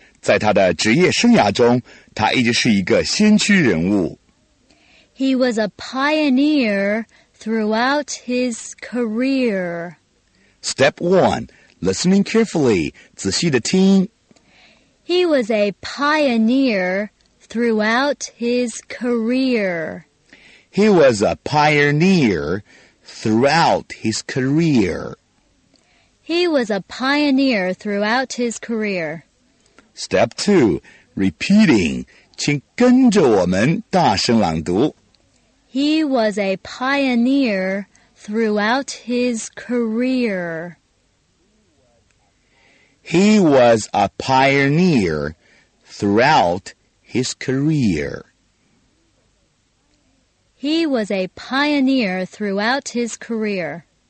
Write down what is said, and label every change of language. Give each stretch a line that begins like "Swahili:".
Chinese: 在他的职业生涯中，他一直是一个先驱人物。
English: He was a pioneer throughout his career. Step one, listening carefully,
Chinese: 仔细地听。
English: He was a pioneer throughout his career. He was a pioneer throughout his career. He was a pioneer throughout his career. Step two, repeating,
Chinese: 请跟着我们大声朗读。
English: He was a pioneer throughout his career. He was a pioneer throughout his career. He was a pioneer throughout his career.